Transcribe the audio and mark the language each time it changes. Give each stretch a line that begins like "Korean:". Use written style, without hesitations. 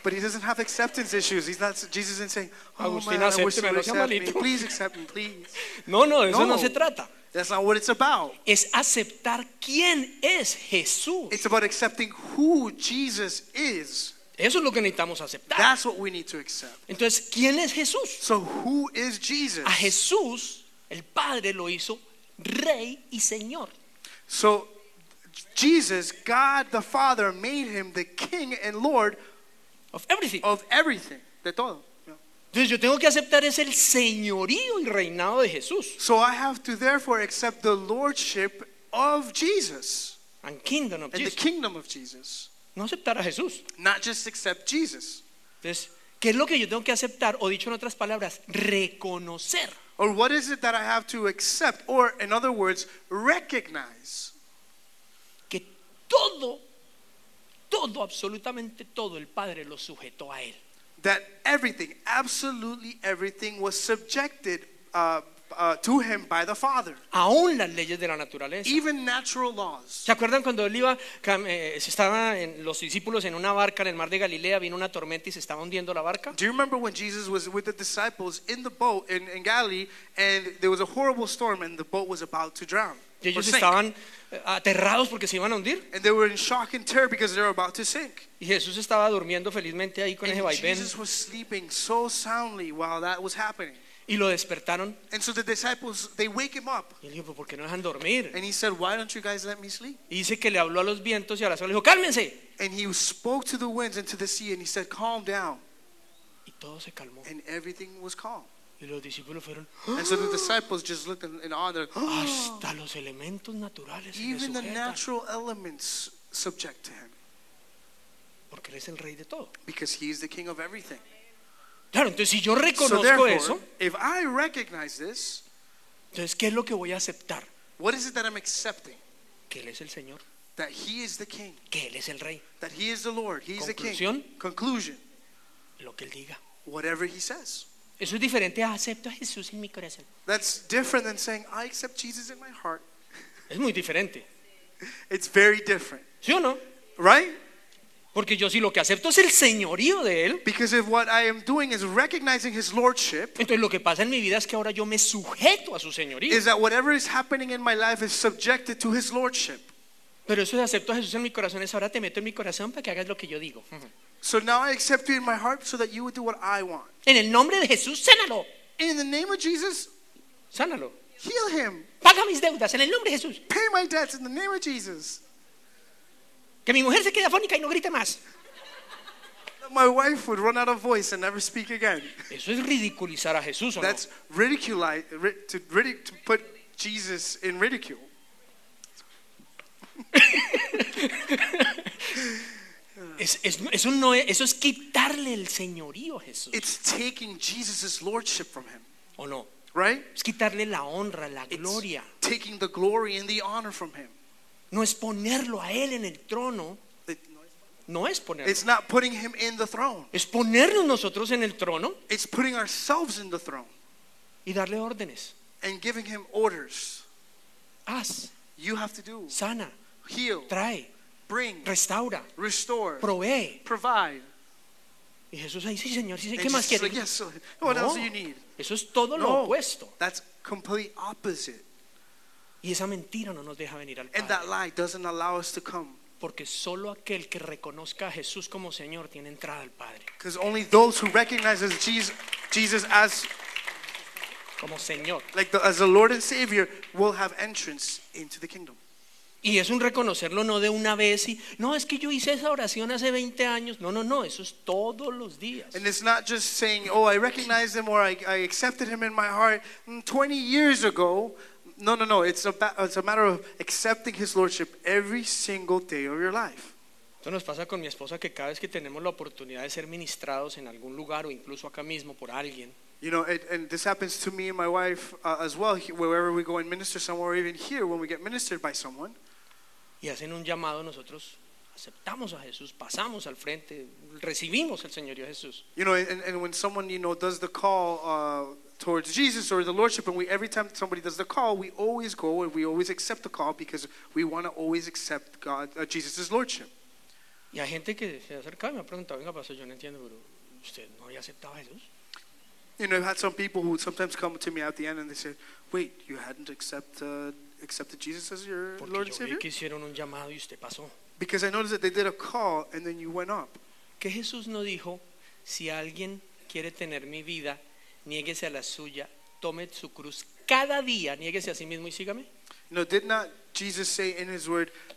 English: But he doesn't have acceptance issues. He's not, Jesus isn't saying, oh Agustín, man,
Spanish: acepte,
English: I wish you would accept me. Please accept me, please.
Spanish: No, no, eso no se trata.
English: That's not what it's about.
Spanish: Es aceptar quién es Jesús.
English: It's about accepting who Jesus is.
Spanish: Eso es lo que necesitamos aceptar.
English: That's what we need to accept.
Spanish: Entonces, ¿quién es Jesús?
English: So who is Jesus?
Spanish: A Jesús, el Padre lo hizo Rey y Señor.
English: So Jesus, God the Father, made him the King and Lord of everything. Of everything,
Spanish: de todo. Entonces yo tengo que aceptar es el señorío y reinado de Jesús.
English: So I have to therefore accept the lordship of Jesus and kingdom of and Jesus. The kingdom of Jesus.
Spanish: No aceptar a Jesús.
English: Not just accept Jesus.
Spanish: Entonces, ¿qué es lo que yo tengo que aceptar? O dicho en otras palabras, reconocer.
English: Or what is it that I have to accept? Or in other words, recognize.
Spanish: Todo, todo, absolutamente todo, el Padre lo sujetó a él.
English: That everything, absolutely everything, was subjected to him by the Father.
Spanish: Aún las leyes de la naturaleza.
English: Even natural laws.
Spanish: ¿Se acuerdan cuando él iba, se estaban en, los discípulos en una barca en el mar de Galilea, vino una tormenta y se estaba hundiendo la barca?
English: Do you remember when Jesus was with the disciples in the boat in Galilee, and there was a horrible storm and the boat was about to drown?
Spanish: Y ellos estaban aterrados porque se iban a hundir.
English: And they were in shock and terror because they were about to sink.
Spanish: Y Jesús estaba durmiendo felizmente ahí con
English: and
Spanish: ese vaivén.
English: Jesus was sleeping so soundly while that was happening.
Spanish: Y lo despertaron.
English: And so the disciples, they wake him up.
Spanish: Y él dijo, ¿por qué no dejan dormir?
English: And he said, why don't you guys let me sleep?
Spanish: Y dice que le habló a los vientos y a las olas, dijo, cálmense.
English: And he spoke to the winds and to the sea and he said, calm down.
Spanish: Y todo se calmó.
English: And everything was calm.
Spanish: Y los discípulos fueron,
English: and so the disciples just looked in awe. Like, oh.
Spanish: Hasta los elementos naturales
English: se even the natural elements subject to him.
Spanish: Porque él es el rey de todo.
English: Because he is the king of everything.
Spanish: Claro, entonces, si yo reconozco
English: so therefore,
Spanish: eso,
English: if I recognize this,
Spanish: entonces, ¿qué es lo que voy a aceptar?
English: What is it that I'm accepting?
Spanish: Que él es el Señor.
English: That he is the king.
Spanish: Que él es el rey.
English: That he is the Lord. He is the king.
Spanish: Conclusión.
English: Conclusion.
Spanish: Lo que él diga.
English: Whatever he says.
Spanish: Eso es diferente a acepto a Jesús en mi corazón.
English: That's different than saying I accept Jesus in my heart.
Spanish: Es muy diferente.
English: It's very different.
Spanish: ¿Sí o no?
English: Right?
Spanish: Porque yo si lo que acepto es el señorío de él.
English: Because if what I am doing is recognizing his lordship.
Spanish: Entonces lo que pasa en mi vida es que ahora yo me sujeto a su señorío.
English: Is that whatever is happening in my life is subjected to his lordship.
Spanish: Pero eso de acepto a Jesús en mi corazón es ahora te meto en mi corazón para que hagas lo que yo digo.
English: So now I accept you in my heart so that you would do what I want.
Spanish: En el nombre de Jesús, sánalo.
English: In the name of Jesus,
Spanish: sánalo.
English: Heal him.
Spanish: Paga mis deudas en el nombre de Jesús.
English: Pay my debts in the name of Jesus.
Spanish: Que mi mujer se quede afónica y no grite más.
English: My wife would run out of voice and never speak again.
Spanish: Eso es ridiculizar a Jesús, ¿o no?
English: That's to put Jesus in ridicule.
Spanish: Eso no es, eso es quitarle el señorío a Jesús.
English: It's taking Jesus's lordship from him.
Spanish: ¿O no?
English: Right?
Spanish: Es quitarle la honra, la gloria.
English: It's taking the glory and the honor from him.
Spanish: No es ponerlo a él en el trono. No es ponerlo.
English: It's not putting him in the throne.
Spanish: Es ponernos nosotros en el trono.
English: It's putting ourselves in the throne.
Spanish: Y darle órdenes.
English: And giving him orders.
Spanish: Haz.
English: You have to do.
Spanish: Sana.
English: Heal.
Spanish: Trae.
English: Bring,
Spanish: restaura,
English: restore,
Spanish: provee,
English: provide.
Spanish: Y Jesús dice, sí, Señor, ¿qué más quieres?
English: Like, yes, what else do you need?
Spanish: Eso es todo lo opuesto.
English: That's complete opposite.
Spanish: Y esa mentira no nos deja venir al Padre.
English: And that lie doesn't allow us to come.
Spanish: Porque solo aquel que reconozca a Jesús como Señor tiene entrada al Padre.
English: Because only those who recognize Jesus as
Spanish: como Señor,
English: like the, as the Lord and Savior, will have entrance into the kingdom.
Spanish: Y es un reconocerlo no de una vez y no es que yo hice esa oración hace 20 años. No, no, no, eso es todos los días.
English: And it's not just saying, "Oh, I recognized him or I accepted him in my heart 20 years ago." No, no, no, it's a matter of accepting his lordship every single day of your life.
Spanish: Esto nos pasa con mi esposa que cada vez que tenemos la oportunidad de ser ministrados en algún lugar o incluso acá mismo por alguien.
English: You know, and this happens to me and my wife as well, wherever we go and minister somewhere, or even here when we get ministered by someone.
Spanish: Y hacen un llamado, nosotros aceptamos a Jesús, pasamos al frente, recibimos el Señorío Jesús.
English: You know, and when someone, you know, does the call towards Jesus or the Lordship, and we, every time somebody does the call, we always go and we always accept the call because we want to always accept God, Jesus' Lordship.
Spanish: Y hay gente que se acerca y me ha preguntado, venga, pastor, yo no entiendo, pero usted no había aceptado a Jesús.
English: You know, I've had some people who sometimes come to me at the end and they say, "Wait, you hadn't accepted Jesus as your
Spanish: Porque
English: Lord and Savior?"
Spanish: Porque que hicieron un llamado y usted pasó.
English: Because I noticed that they did a call and then you went up.
Spanish: ¿Qué Jesús no dijo? Si alguien quiere tener mi vida, niéguese a la suya, tome su cruz cada día, niéguese a sí mismo y sígame.
English: No, did not Jesus say in his word